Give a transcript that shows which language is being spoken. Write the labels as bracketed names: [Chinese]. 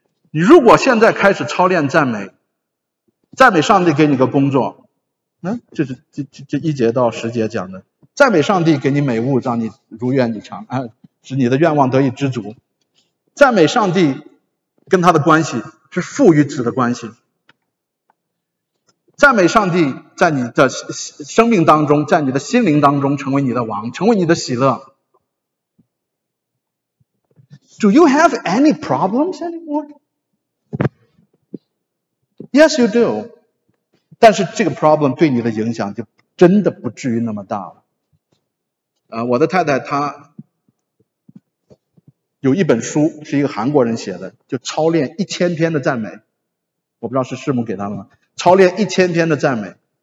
[Chinese] 你如果现在开始操练赞美，赞美上帝给你个工作，这一节到十节讲的赞美上帝给你美物，让你如愿以偿，使你的愿望得以知足。赞美上帝跟他的关系是父与子的关系。赞美上帝在你的生命当中，在你的心灵当中成为你的王，成为你的喜乐。 [English] Do you have any problems anymore? Yes, you do. [Chinese] 但是这个 problem 对你的影响就真的不至于那么大了。我的太太她有一本书，是一个韩国人写的，就操练1000篇的赞美。我不知道是师母给他的吗？操练1000篇的赞美。